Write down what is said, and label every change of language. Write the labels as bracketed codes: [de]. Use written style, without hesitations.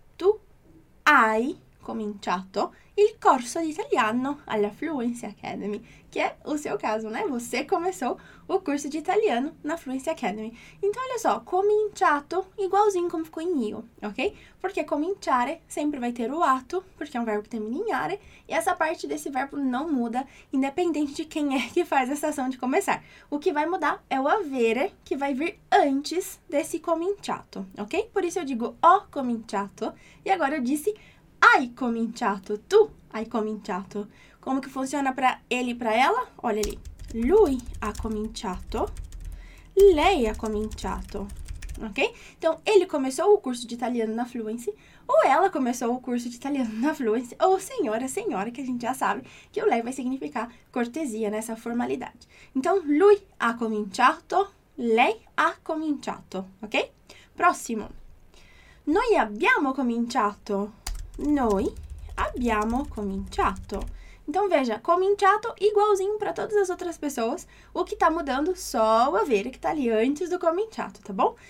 [it] Tu hai cominciato il corso di italiano alla Fluency Academy, che è [pt] o seu caso, né? Você começou o curso [it] di italiano [pt] na Fluency Academy. Então, olha só, cominciato igualzinho como ficou em io, ok? Perché cominciare sempre vai ter o ato, [it] perché è un verbo che termina in are, [pt] e essa parte desse verbo non muda, independente de quem é que faz essa ação de começar. O que vai mudar é o avere, que vai vir antes desse cominciato, ok? Por isso eu digo [it] ho cominciato, [pt] e agora eu disse [it] hai cominciato, tu hai cominciato. [pt] Como que funciona para ele e para ela? Olha ali. [it] Lui ha cominciato, lei ha cominciato, ok? [pt] Então, ele começou o curso de italiano na Fluency, ou ela começou o curso de italiano na Fluency, ou senhora, senhora, que a gente já sabe que o lei vai significar cortesia nessa formalidade. Então, [it] lui ha cominciato, lei ha cominciato, [pt] ok? [it] Prossimo. Noi abbiamo cominciato. Noi abbiamo cominciato. [pt] Então veja, cominciato igualzinho para todas as outras pessoas, o que está mudando só o avere que está ali antes do cominciato, tá bom?